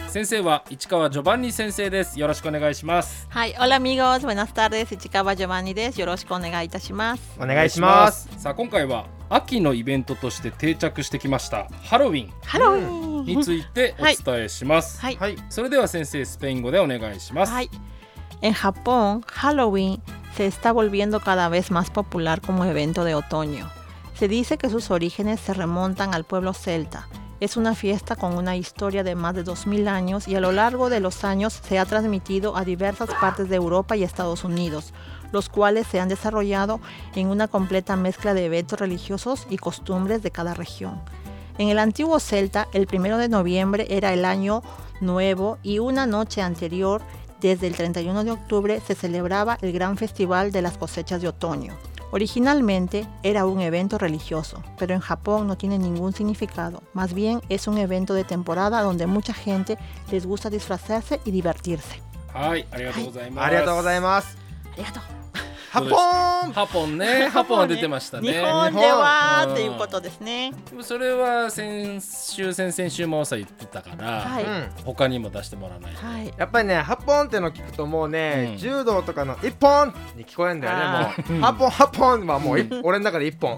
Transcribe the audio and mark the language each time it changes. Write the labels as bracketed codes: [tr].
[ja] 先生は市川ジョバンニ先生です。よろしくお願いします。はい、オラミゴス、ブエナスタルです。市川ジョバンニです。よろしくお願いいたします。お願いします。さあ、今回は秋のイベントとして定着してきましたハロウィン、ハロウィンについてお伝えします。はい、はい、それでは先生、スペイン語でお願いします。はい。 [es] En Japón, Halloween se está volviendo cada vez más popular como evento de otoño. Se dice que sus orígenes se remontan al pueblo celta. Es una fiesta con una historia de más de 2000 años y a lo largo de los años se ha transmitido a diversas partes de Europa y Estados Unidos, los cuales se han desarrollado en una completa mezcla de eventos religiosos y costumbres de cada región. En el antiguo celta, el 1 de noviembre era el año nuevo y una noche anterior, desde el 31 de octubre, se celebraba el gran festival de las cosechas de otoño. Originalmente era un evento religioso, pero en Japón no tiene ningún significado. Más bien es un evento de temporada donde mucha gente les gusta disfrazarse y divertirse. [ja] ¡Ay! ¡Arigatou! ¡Arigatou gozaimasu! ¡Arigatou! ハポーン、ハポンね、ハポンは出てましたね。日本ではっていうことですね。でもそれは先週、先々週もおさ言ってたから、はい、他にも出してもらわないと、はい、やっぱりね、ハポンっての聞くともうね、うん、柔道とかの一本に聞こえるんだよね。もうハポン、ハポンはもう、うん、俺の中で一本、